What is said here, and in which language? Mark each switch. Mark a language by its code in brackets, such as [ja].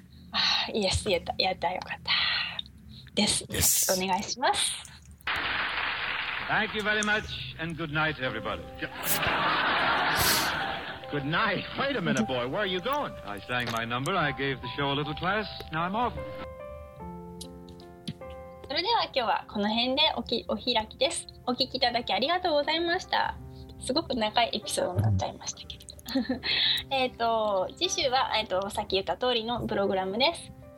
[ja] ああ、イエス、やったよかったです。よろしくお願いします。 [en] Thank you very much and good night everybody. Good night. Wait a minute, boy, where are you going? I sang my number, I gave the show a little class, now I'm off. [ja] それでは今日はこの辺でお開きです。お聞きいただきありがとうございました。すごく長いエピソードになっちゃいましたけど。次週は、さっき言った通りのプログラムです。